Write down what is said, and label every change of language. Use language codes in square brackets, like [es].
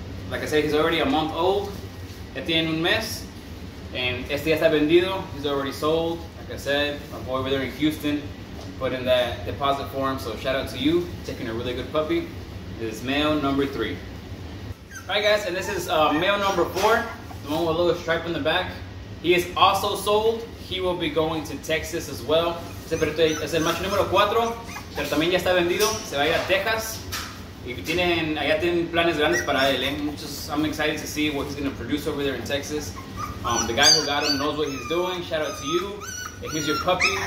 [en] Like I said, he's already a month old. [es] Ya tiene un mes. [en] And [es] este ya está vendido. [en] He's already sold. Like I said, my boy over there in Houston put in that deposit form, so shout out to you, taking a really good puppy. This is male number three. Alright guys, and this is male number four, the one with a little stripe in the back. He is also sold. He will be going to Texas as well. [es] Es el macho número cuatro, pero también ya está vendido. Se va a ir a Texas. Y tienen, allá tienen planes grandes para él, eh? [en] I'm excited to see what he's going to produce over there in Texas. The guy who got him knows what he's doing. Shout out to you. Here's your puppy.